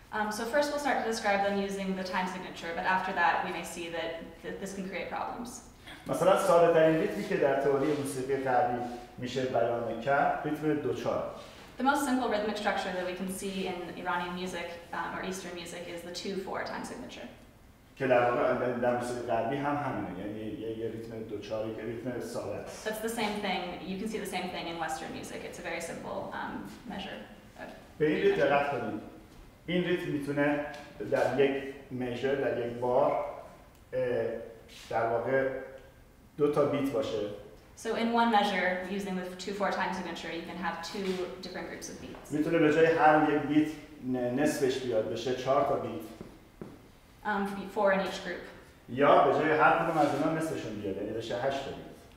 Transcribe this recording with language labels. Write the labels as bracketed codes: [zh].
[en] So first we'll start to describe them using the time signature, but after that we may see that this can create problems. [fa] مثلا ساده ترین ریتمی که در تئوری موسیقی غربی میشه بیان کرد ریتم 2/4. [en] The most simple rhythmic structure that we can see in Iranian music or Eastern music is the 2/4 time signature. [fa] که در موسیقی غربی هم همینه، یعنی یه ریتم 2/4 که ریتم ساده است. [en] That's the same thing. You can see the same thing in Western music. It's a very simple measure. [fa] به این ریتم دقت کنید. این ریتم میتونه در یک میجر، در یک بار در واقع دو تا بیت باشه. [en] So in one measure, using the 2/4 time signature, you can have two different groups of beats. [fa] میتونه به جای هر یک بیت نصفش بیاد بشه چهار تا بیت. [en] Four in each group. [fa] یا به جای هر کدوم از اینا نصفشون بیاد یعنی بشه هشت تا بیت.